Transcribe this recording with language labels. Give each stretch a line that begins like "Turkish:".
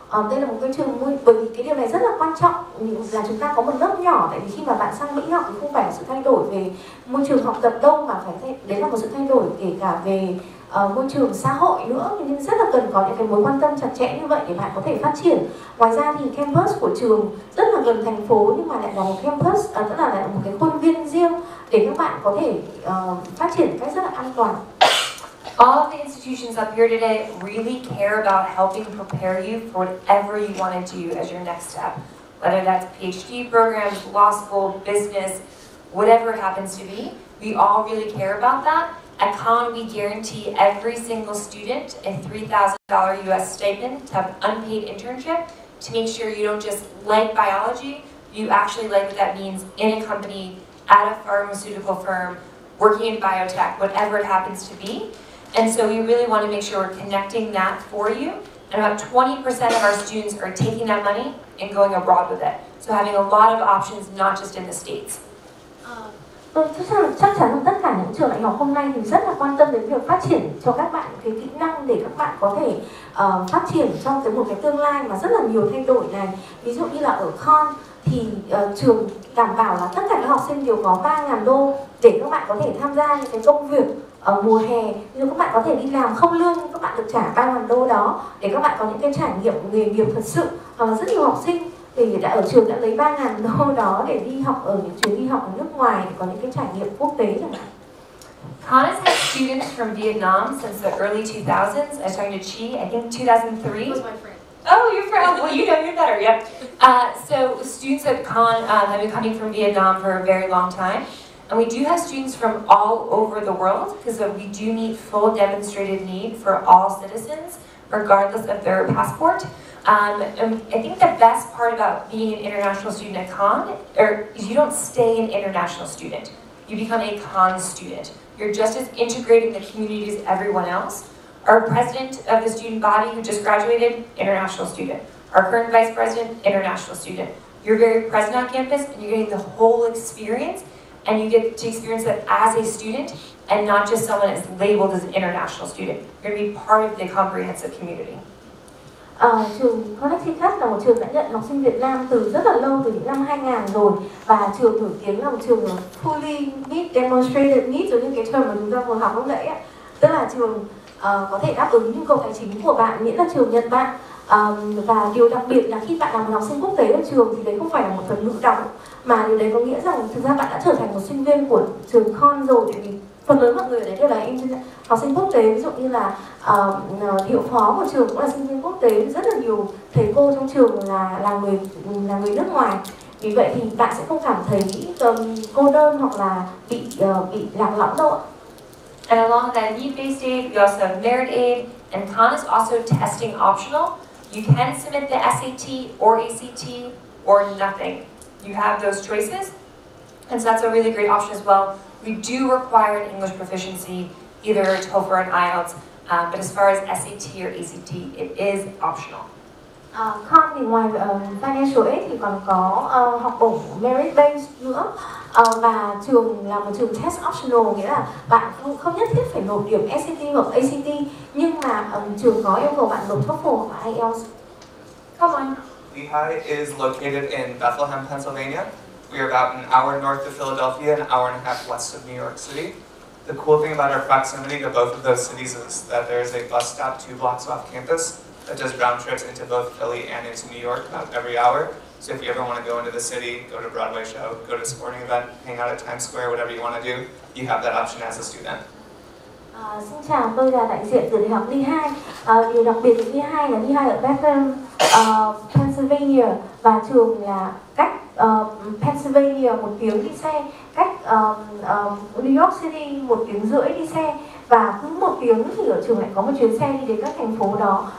Vietnamese: Đây là một cái trường vui bởi vì cái điều này rất là quan trọng là chúng ta có một lớp nhỏ tại vì khi mà bạn sang Mỹ học thì không phải là sự thay đổi về môi trường học tập đâu mà phải đấy là một sự thay đổi kể cả về môi trường xã hội nữa nên rất là cần có những cái mối quan tâm chặt chẽ như vậy để bạn có thể phát triển. Ngoài ra thì campus của trường rất là gần thành phố nhưng mà lại là một campus tức là lại là một cái khuôn viên riêng để các bạn có thể phát triển một cách rất là an toàn.
English: All of the institutions up here today really care about helping prepare you for whatever you want to do as your next step, whether that's PhD programs, law school, business, whatever it happens to be. We all really care about that. At Conn, we guarantee every single student a $3,000 US stipend to have unpaid internship to make sure you don't just like biology, you actually like what that means in a company, at a pharmaceutical firm, working in biotech, whatever it happens to be. And so we really want to make sure we're connecting that for you. And about 20% of our students are taking that money and going abroad with it. So having a lot of options, not just in the States.
Vietnamese: Chắc chắn tất cả những trường đại học hôm nay thì rất là quan tâm đến việc phát triển cho các bạn cái kỹ năng để các bạn có thể phát triển trong cái một cái tương lai mà rất là nhiều thay đổi này. Ví dụ như là ở Conn thì trường đảm bảo là tất cả các học sinh đều có 3.000 đô để các bạn có thể tham gia những cái công việc ở mùa hè. Nếu các bạn có thể đi làm không lương, các bạn được trả 3.000 đô đó để các bạn có những cái trải nghiệm nghề nghiệp thật sự. Hoặc là rất nhiều học sinh thì đã ở trường đã lấy 3.000 đô đó để đi học ở những chuyến đi học ở nước ngoài để có những cái trải nghiệm quốc tế chẳng hạn.
English: Conn has students from Vietnam since the early 2000s. I was talking to Chi, I think 2003. That was my friend. Oh, your friend. Well, you know your daughter, yep. So students have been coming from Vietnam for a very long time. And we do have students from all over the world because we do meet full demonstrated need for all citizens, regardless of their passport. And I think the best part about being an international student at Con is you don't stay an international student. You become a Con student. You're just as integrated in the community as everyone else. Our president of the student body who just graduated, international student. Our current vice president, international student. You're very present on campus and you're getting the whole experience and you get to experience it as a student and not just someone that's labeled as an international student. You're gonna be part of the comprehensive community.
Vietnamese: Trường Connecticut là một trường đã nhận học sinh Việt Nam từ rất là lâu, từ những năm 2000 rồi. Và trường nổi tiếng là một trường
English: fully meet, demonstrated needs,
Vietnamese: giống như cái term mà chúng ta vừa học lúc nãy. Tức là trường có thể đáp ứng nhu cầu tài chính của bạn, miễn là trường nhận bạn. Và điều đặc biệt là khi bạn là một học sinh quốc tế ở trường thì đấy không phải là một phần nữ đóng, mà điều đấy có nghĩa rằng thực ra bạn đã trở thành một sinh viên của trường Con rồi, tại vì phần lớn mọi người ở đấy đều là học sinh quốc tế, ví dụ như là hiệu phó của trường cũng là sinh viên quốc tế, rất là nhiều thầy cô trong trường là người nước ngoài. Vì vậy thì bạn sẽ không cảm thấy cô đơn hoặc là bị lạc lõng đâu ạ.
English: And along with that need-based aid, we also have merit aid, and Con is also testing optional. You can submit the SAT or ACT or nothing. You have those choices, and so that's a really great option as well. We do require an English proficiency, either TOEFL or an IELTS, but as far as SAT or ACT, it is optional.
Vietnamese: Con thì ngoài financial aid thì còn có học bổng merit-based nữa. Và trường là một trường test optional, nghĩa là bạn không nhất thiết phải nộp điểm SAT hoặc ACT, nhưng mà trường có yêu cầu bạn nộp TOEFL hoặc IELTS.
English: Come on. Lehigh is located in Bethlehem, Pennsylvania. We are about an hour north of Philadelphia, an hour and a half west of New York City. The cool thing about our proximity to both of those cities is that there is a bus stop two blocks off campus that does round trips into both Philly and into New York about every hour. So if you ever want to go into the city, go to a Broadway show, go to a sporting event, hang out at Times Square, whatever you want to do, you have that option as a student.
Vietnamese: Xin chào, tôi là đại diện từ Đại học Lehigh. Điều đặc biệt của Lehigh là Lehigh ở Bethlehem, Pennsylvania, và trường là cách Pennsylvania 1 tiếng đi xe, cách New York City 1 tiếng rưỡi đi xe, và cứ 1 tiếng thì ở trường lại có một chuyến xe đi đến các thành phố đó.